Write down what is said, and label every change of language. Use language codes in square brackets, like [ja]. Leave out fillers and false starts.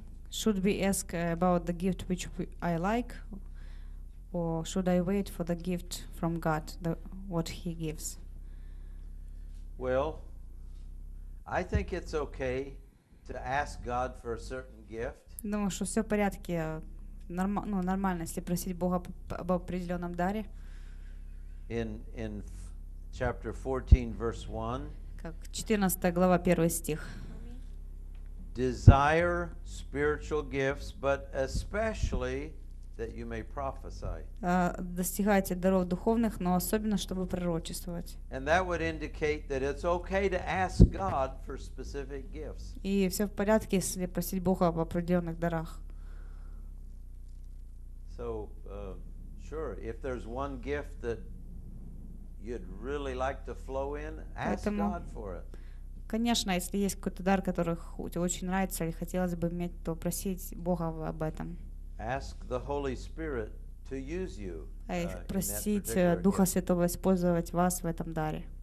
[en] Should we ask about the gift which I like, or should I wait for the gift from God, what He gives? Well, I think it's okay to ask God for a certain gift. [ru] Думаю, что все в порядке, нормально, если просить Бога об определенном даре. [en] In chapter 14, verse 1. [ru] Как 14 глава, 1 стих. [en] Desire spiritual gifts, but especially that you may prophesy. [ru] Достигайте даров духовных, но особенно чтобы пророчествовать. [en] And that would indicate that it's okay to ask God for specific gifts. [ru] И все в порядке, если просить Бога об определенных дарах. [en] So, sure, if there's one gift that you'd really like to flow in, ask God for it. [ru] Конечно, если есть какой-то дар, который тебе очень нравится или хотелось бы иметь, то просить Бога об этом. [en] Ask the Holy Spirit to use you. [ru] Просить Духа Святого использовать вас в этом даре.